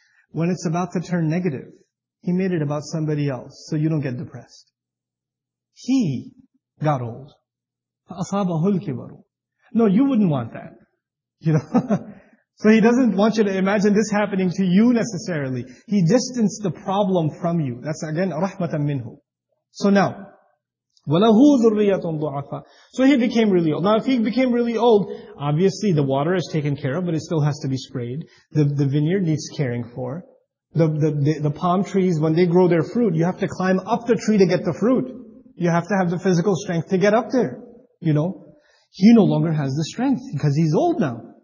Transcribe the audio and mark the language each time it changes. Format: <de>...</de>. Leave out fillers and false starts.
<en>When it's about to turn negative, he made it about somebody else, so you don't get depressed. He got old.</en> <ar>فَأَصَابَهُ الْكِبَرُ.</ar> <en>No, you wouldn't want that. You know? So he doesn't want you to imagine this happening to you necessarily. He distanced the problem from you. That's again,</en> <ar>رَحْمَةً مِّنْهُ.</ar> <en>So now,</en> <ar>وَلَهُ ذُرِّيَّةٌ ضُعَفَةٌ.</ar> <en>So he became really old. Now if he became really old, obviously the water is taken care of, but it still has to be sprayed. The vineyard needs caring for. The palm trees, when they grow their fruit, you have to climb up the tree to get the fruit. You have to have the physical strength to get up there. You know? He no longer has the strength, because he's old now.</en>